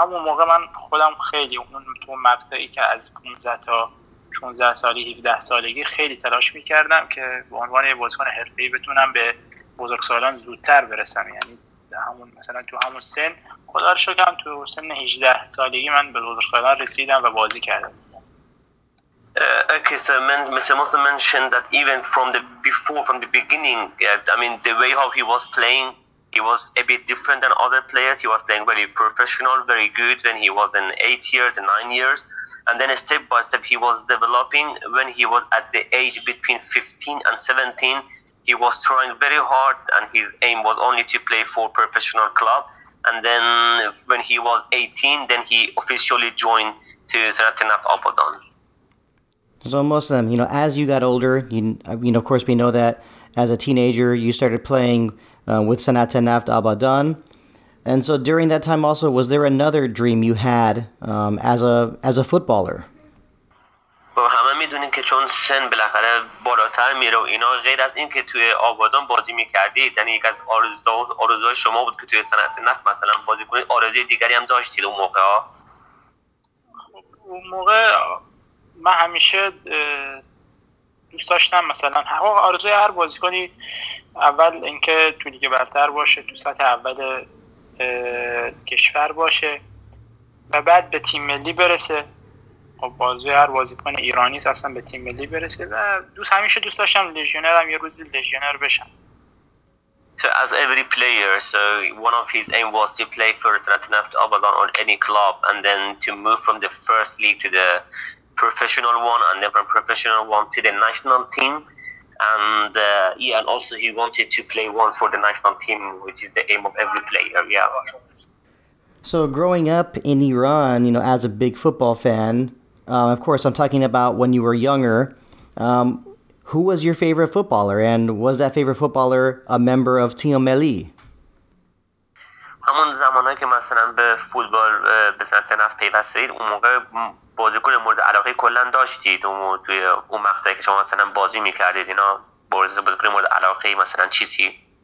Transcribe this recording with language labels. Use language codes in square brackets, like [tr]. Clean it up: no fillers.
[fa] همون موقع من خودم خیلی اون تو مقطعی که از 15 تا 16 سالی 17 سالگی خیلی تلاش میکردم که به عنوان یه بازیکن حرفه‌ای بتونم به بزرگسالان زودتر برسم، یعنی همون مثلا تو همون سن. خدا رو شکر هم تو سن 18 سالگی من به بزرگسالان رسیدم و بازی کردم. [en] Okay, so Mr. Muslim mentioned that even from the beginning, I mean, the way how he was playing, he was a bit different than other players. He was playing very professional, very good when he was in 8 years and 9 years. And then step by step, he was developing when he was at the age between 15 and 17. He was trying very hard and his aim was only to play for professional club. And then when he was 18, then he officially joined to Sanatenaf Apodon. So Muslim, you know, as you got older, you know, of course, we know that as a teenager, you started playing with Sanatan Naft Abadan. And so during that time also, was there another dream you had as a footballer? [fa] Well, همه میدونین که چون سن بالاخره بالاتر میره اینا، غیر از این که توی آبادان بازی میکردید، یعنی یک از آرزوهای شما بود که توی Sanatan Naft مثلا بازی کنید، آرزوی دیگری هم داشتید اون موقع ها؟ اون موقع من همیشه دوست داشتم مثلا آرزوی هر بازیکنی اول اینکه تو لیگ برتر باشه، تو سطح اول کشور باشه و بعد به تیم ملی برسه. خب آرزوی هر بازیکن ایرانی است اصلا به تیم ملی برسه و همیشه دوست داشتم لژیونر هم یه روزی لژیونر بشم. [en] So as every player, so one of his aim was to play for Sanatan Abadan or any club and then to move from the first league to the professional one and then from professional one to the national team, and also he wanted to play once for the national team, which is the aim of every player. Yeah. So growing up in Iran, you know, as a big football fan, of course I'm talking about when you were younger, who was your favorite footballer and was that favorite footballer a member of Team Meli? [fa] همون زمانی که مثلا به فوتبال به سمت نفت پیوستید، اون موقع بازیکن مورد علاقه کلن داشتید و توی اون مقطعی که شما مثلا بازی میکردید اینا، بازیکن مورد علاقه مثلا چیزی؟